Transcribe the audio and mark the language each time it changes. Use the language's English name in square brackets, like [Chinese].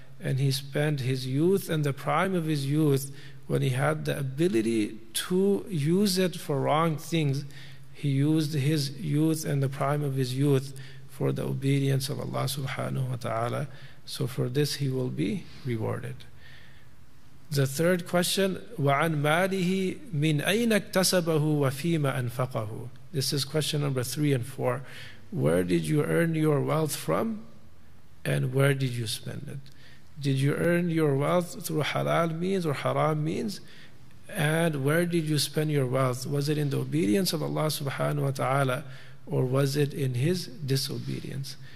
[English] and he spent his youth and the prime of his youth, when he had the ability to use it for wrong things, he used his youth and the prime of his youth for the obedience of Allah subhanahu wa ta'ala. So for this he will be rewarded. The third question, [Arabic] وَعَنْ مَالِهِ مِنْ أَيْنَ اكْتَسَبَهُ وَفِيمَ أَنْفَقَهُ. [English] This is question number 3 and 4. Where did you earn your wealth from and where did you spend it? Did you earn your wealth through halal means or haram means? And where did you spend your wealth? Was it in the obedience of Allah subhanahu wa ta'ala or was it in his disobedience?